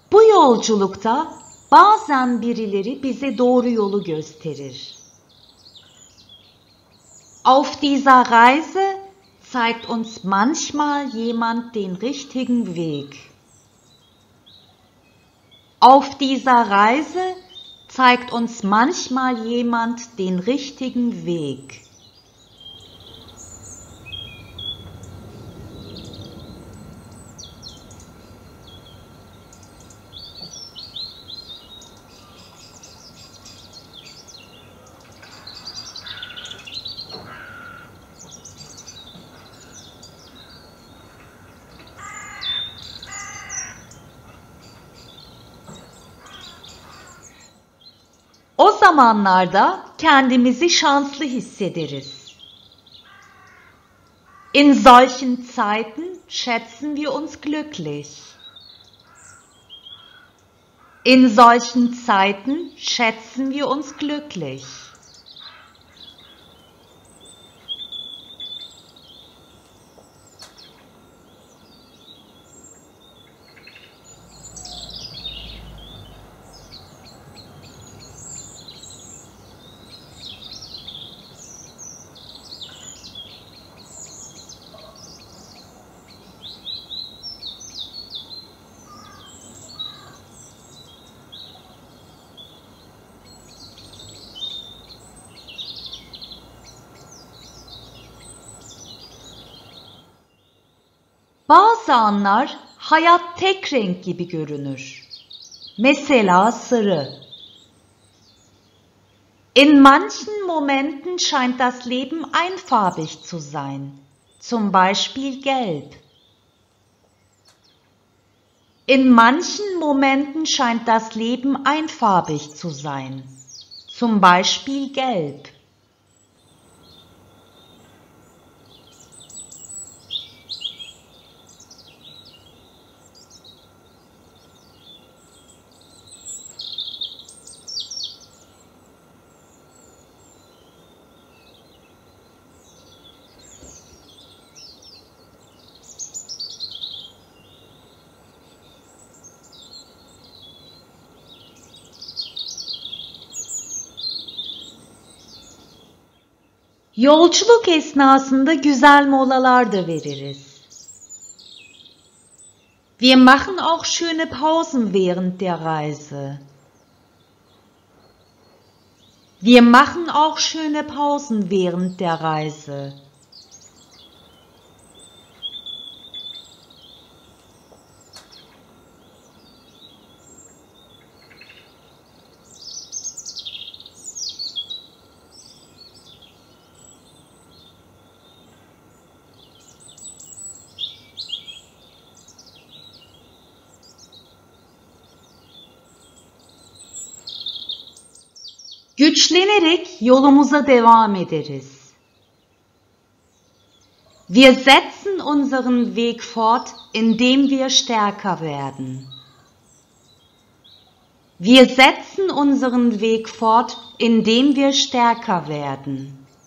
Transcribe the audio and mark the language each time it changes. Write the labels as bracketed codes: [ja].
[tr] Yolculukta bazen birileri bize doğru yolu gösterir. [de] Auf dieser Reise zeigt uns manchmal jemand den richtigen Weg. Auf dieser Reise zeigt uns manchmal jemand den richtigen Weg. [tr] O zamanlarda kendimizi şanslı hissederiz. [de] In solchen Zeiten schätzen wir uns glücklich. In solchen Zeiten schätzen wir uns glücklich. [tr] Bazı anlar hayat tek renk gibi görünür. Mesela sarı. [de] In manchen Momenten scheint das Leben einfarbig zu sein. Zum Beispiel gelb. In manchen Momenten scheint das Leben einfarbig zu sein. Zum Beispiel gelb. [tr] Yolculuk esnasında güzel molalar da veririz. [de] Wir machen auch schöne Pausen während der Reise. Wir machen auch schöne Pausen während der Reise. [tr] Güçlenerek yolumuza devam ederiz. [de] Wir setzen unseren Weg fort, indem wir stärker werden. Wir setzen unseren Weg fort, indem wir stärker werden.